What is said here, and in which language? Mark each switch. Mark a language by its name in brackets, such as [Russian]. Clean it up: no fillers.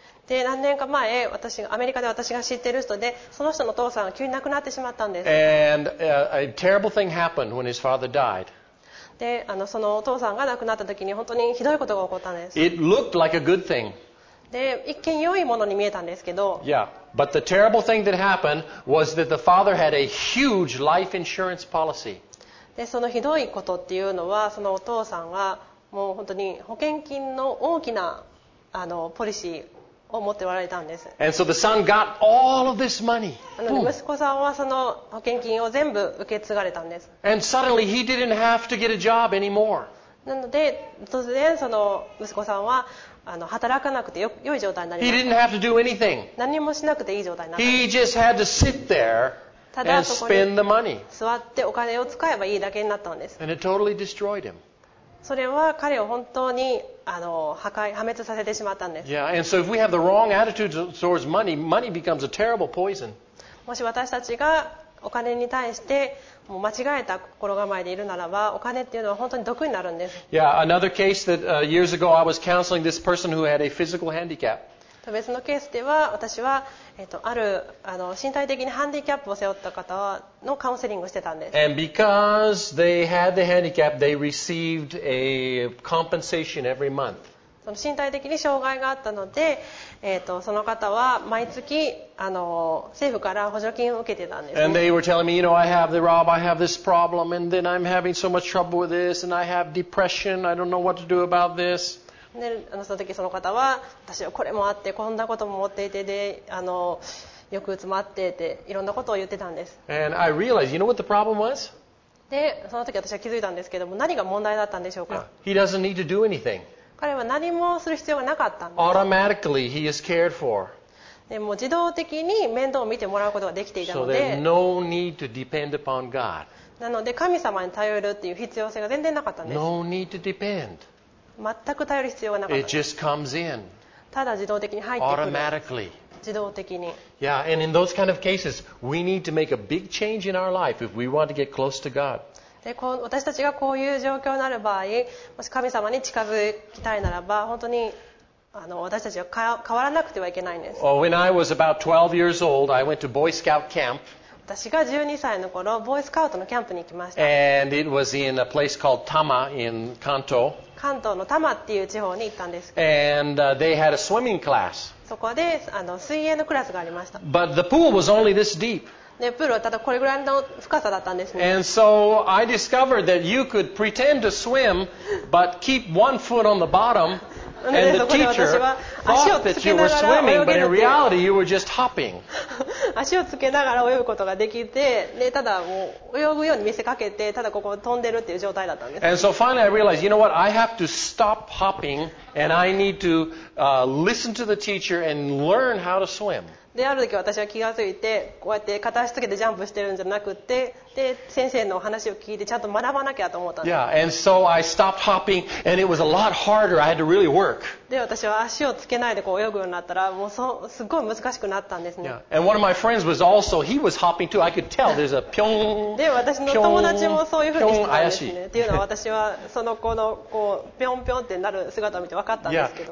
[Japanese] で何年か前私アメリカで私が知っている人でその人のお父さんが急に亡くなってしまったんです。 [English] And, a terrible thing happened when his father died. [Japanese] でそのお父さんが亡くなった時に本当にひどいことが起こったんです。 [English] It looked like a good thing. [Japanese] で一見良いものに見えたんですけど。 [English] Yeah, but the terrible thing that happened was that the father had a huge life insurance policy. [Japanese] でそのひどいことっていうのはそのお父さんがもう本当に保険金の大きなポリシーを持っておられたんです。 [English] And so the son got all of this money. [Japanese] 息子さんはその保険金を全部受け継がれたんです。 [English] And suddenly he didn't have to get a job anymore. [Japanese] なので突然その息子さんは働かなくて良い状態になりました。 [English] He didn't have to do anything. [Japanese] 何もしなくていい状態になった。 [English] He just had to sit there and spend the money. [Japanese] ただそこに座ってお金を使えばいいだけになったんです。 [English] And it totally destroyed him. [Japanese] それは彼を本当に破滅させてしまったんです。 [English] Yeah, and so if we have the wrong attitude towards money, money becomes a terrible poison. [Japanese] もし私たちがお金に対してもう間違えた心構えでいるならば、お金っていうのは本当に毒になるんです。 [English] Yeah, another case that years ago I was counseling this person who had a physical handicap. [Japanese] 別のケースでは、私は、ある身体的にハンディキャップを背負った方のカウンセリングをしてたんです。 [English] And because they had the handicap, they received a compensation every month. [Japanese] その身体的に障害があったので、その方は毎月政府から補助金を受けてたんですね。 [English] And they were telling me, you know, I have the Rob, I have this problem, and then I'm having so much trouble with this, and I have depression, I don't know what to do about this. [Japanese] で、その時その方は、私はこれもあって、こんなことも持っていて、で、よく詰まっていて、いろんなことを言ってたんです。 [English] And I realized, you know what the problem was? [Japanese] で、その時私は気づいたんですけども、何が問題だったんでしょうか? [English] He doesn't need to do anything. [Japanese] 彼は何もする必要がなかったんです。 [English] Automatically, he is cared for. [Japanese] でも自動的に面倒を見てもらうことができていたので、 [English] so there's no need to depend upon God. [Japanese] なので神様に頼るっていう必要性が全然なかったんです。 [English] No need to depend. [Japanese] 全く頼る必要がなかったんです。 [English] It just comes in. [Japanese] ただ自動的に入ってくる。 [English] Automatically. [Japanese] 自動的に。 [English] Yeah, and in those kind of cases, we need to make a big change in our life if we want to get close to God. [Japanese] で私たちがこういう状況になる場合、もし神様に近づきたいならば、本当に私たちは変わらなくてはいけないんです。 [English] When I was about 12 years old, I went to Boy Scout camp. [Japanese] 私が12歳の頃、ボーイスカウトのキャンプに行きました。 [English] And it was in a place called Tama in Kanto. [Japanese] 関東の多摩っていう地方に行ったんです。 [English] And they had a swimming class. [Japanese] そこで水泳のクラスがありました。 [English] But the pool was only this deep. [Japanese] でプールはただこれぐらいの深さだったんですね。 [English] And so I discovered that you could pretend to swim, but keep one foot on the bottom, and the teacher thought that you were swimming, but in reality you were just hopping. [Japanese] 足をつけながら泳ぐことができて、でただもう泳ぐように見せかけて、ただここ飛んでるっていう状態だったんです。 [English] And so finally I realized, you know what? I have to stop hopping, and I need to listen to the teacher and learn how to swim. [Japanese] で、ある時私は気がついて、こうやって片足つけてジャンプしてるんじゃなくて、で、先生の話を聞いてちゃんと学ばなきゃと思ったんです。 [English] Yeah, and so I stopped hopping, and it was a lot harder. I had to really work. [Japanese] で、私は足をつけないでこう泳ぐようになったら、もうすごい難しくなったんですね。 [English] Yeah, and one of my friends was also, he was hopping too. I could tell there's a ピョン。 [Japanese] で、私の友達もそういうふうにしてたんですね。っていうのは私はその子のこう、ピョンピョンってなる姿を見て分かったんですけど。